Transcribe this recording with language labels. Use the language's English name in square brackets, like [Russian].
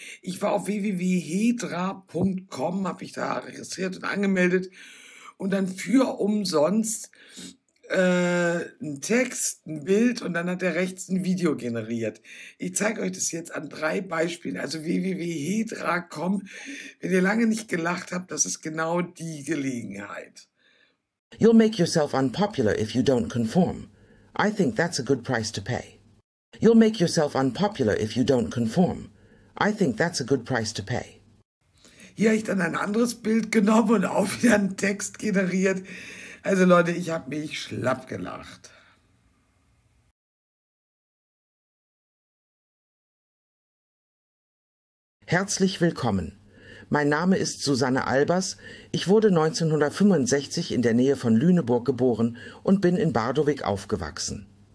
[German] Ich war auf www.hedra.com, habe ich da registriert und angemeldet und dann für umsonst einen Text, ein Bild und dann hat er rechts ein Video generiert. Ich zeige euch das jetzt an drei Beispielen, also www.hedra.com. Wenn ihr lange nicht gelacht habt, das ist genau die Gelegenheit. [English] You'll make yourself unpopular if you don't conform. I think that's a good price to pay. You'll make yourself unpopular if you don't conform. I think that's a good price to pay. [German] Hier habe ich dann ein anderes Bild genommen und auch wieder einen Text generiert. Also Leute, ich habe mich schlapp gelacht. Herzlich willkommen. Mein Name ist Susanne Albers, ich wurde 1965 in der Nähe von Lüneburg geboren und bin in Bardowick aufgewachsen.